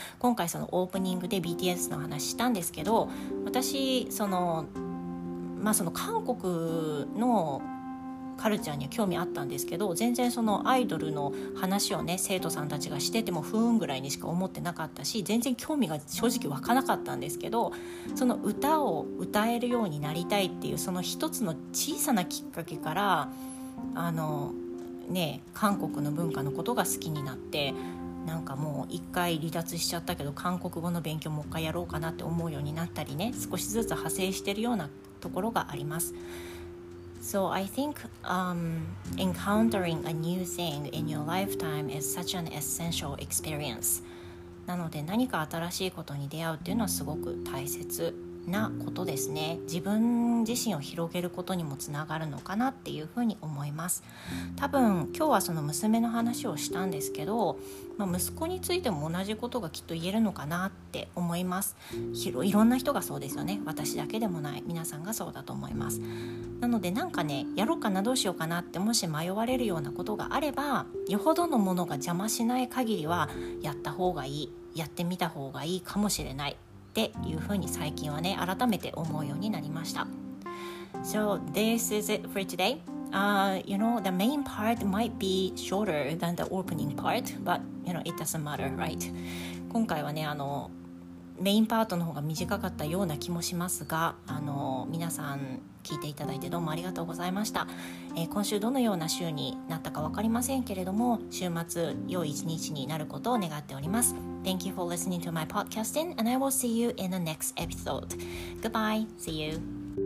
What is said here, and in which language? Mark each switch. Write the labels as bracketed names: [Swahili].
[Japanese] 今回そのオープニングで BTS の話したんですけど、私そのまあその韓国のカルチャーに興味あったんですけど、全然そのアイドルの話をね生徒さんたちがしててもふーんぐらいにしか思ってなかったし、全然興味が正直湧かなかったんですけど、その歌を歌えるようになりたいっていうその一つの小さなきっかけからね、韓国の文化のことが好きになって、なんかもう一回離脱しちゃったけど韓国語の勉強もう一回やろうかなって思うようになったりね、少しずつ派生してるようなところがあります。 [English] So I think encountering a new thing in your lifetime is such an essential experience. [Japanese] なので何か新しいことに出会うっていうのはすごく大切なことですね。自分自身を広げることにもつながるのかなっていうふうに思います。多分今日はその娘の話をしたんですけど、まあ、息子についても同じことがきっと言えるのかなって思います。いろんな人がそうですよね。私だけでもない。皆さんがそうだと思います。なのでなんかね、やろうかなどうしようかなってもし迷われるようなことがあれば、よほどのものが邪魔しない限りはやった方がいい、やってみた方がいいかもしれない。っていうふうに最近はね改めて思うようになりました。 [English] So this is it for today. You know, the main part might be shorter than the opening part, but you know, it doesn't matter, right? [Japanese] 今回はねメインパートの方が短かったような気もしますが、皆さん聞いていただいてどうもありがとうございました。今週どのような週になったか分かりませんけれども、週末良い一日になることを願っております。 [English] Thank you for listening to my podcasting, and I will see you in the next episode. Goodbye, see you.